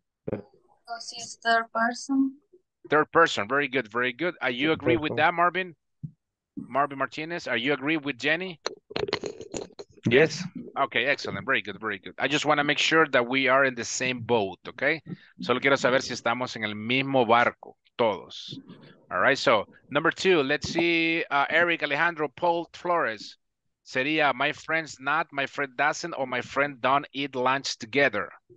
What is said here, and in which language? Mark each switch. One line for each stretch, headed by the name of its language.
English: Because he's third person. Third person, very good. Are you agree with that, Marvin? Marvin Martinez, are you agree with Jenny? Yes. Okay, excellent, very good. I just wanna make sure that we are in the same boat, okay?
Spanish: Solo quiero saber si estamos en el mismo barco, todos.
English: All right, so number two, let's see, Eric, Alejandro, Paul, Flores.
Spanish: Sería
English: my friend's not, my friend doesn't, or my friend don't eat lunch together.